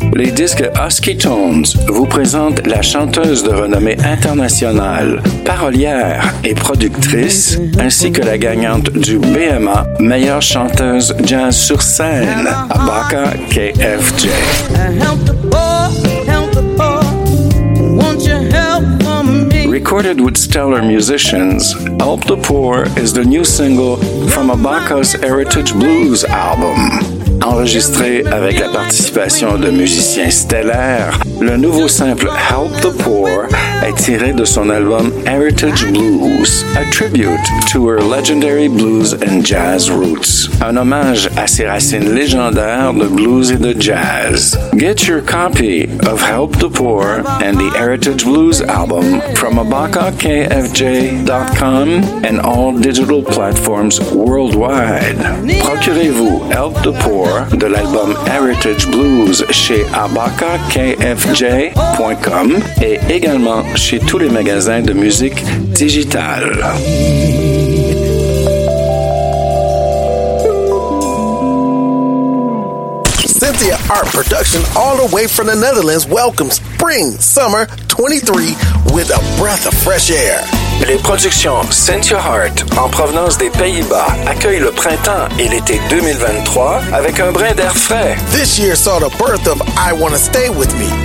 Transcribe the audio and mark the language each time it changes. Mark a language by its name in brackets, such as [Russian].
[French] Les disques Husky Tones vous présentent la chanteuse de renommée internationale, parolière et productrice, ainsi que la gagnante du BMA, meilleure chanteuse jazz sur scène, Abaka KFJ. [English] Recorded with stellar musicians, Help the Poor is the new single from Abaka's Heritage Blues album. [French] Enregistré avec la participation de musiciens stellaires, le nouveau simple Help the Poor est tiré de son album Heritage Blues, [English] a tribute to her legendary blues and jazz roots. [French] Un hommage à ses racines légendaires de blues et de jazz. [English] Get your copy of Help the Poor and the Heritage Blues album from abakakfj.com and all digital platforms worldwide. [French] Procurez-vous Help the Poor de l'album Heritage Blues chez abakakfj.com et également chez tous les magasins de musique digitale. [English] Cynthia Art Production, all the way from the Netherlands, welcomes Spring Summer 23 with a breath of fresh air. [French] Les productions Cynthia Art, en provenance des Pays-Bas, accueillent le printemps et l'été 2023 avec un brin d'air frais. [English] This year saw the birth of I Wanna Stay With Me.